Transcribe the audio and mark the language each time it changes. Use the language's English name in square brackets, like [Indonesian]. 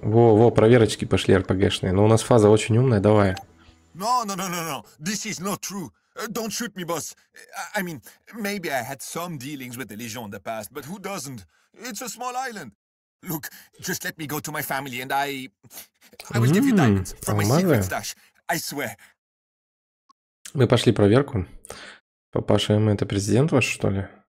[Russian] Во-во, проверочки пошли РПГшные. Но у нас фаза очень умная, давай. [English] No. This is not true. Don't shoot me, boss. I mean, maybe I had some dealings with the Legion in the past, but who doesn't? It's a small island. Look, just let me go to my family and I... I will give you diamonds from my secret stash. I swear. [Russian] Мы пошли проверку. Папаша, это президент ваш, что ли?